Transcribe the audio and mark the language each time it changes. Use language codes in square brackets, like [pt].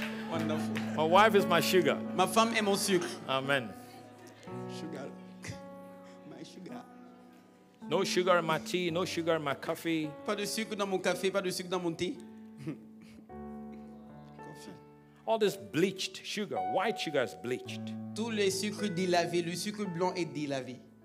[en] Wonderful. My wife is my sugar. [fr] Ma femme est mon sucre. [en] Amen. Sugar. My sugar. No sugar in my tea, no sugar in my coffee. [fr] Pas de sucre dans mon café, pas de sucre dans mon thé. [en] All this bleached sugar, white sugar is bleached. [fr] Tous les sucres délavés, le sucre blanc est délavé.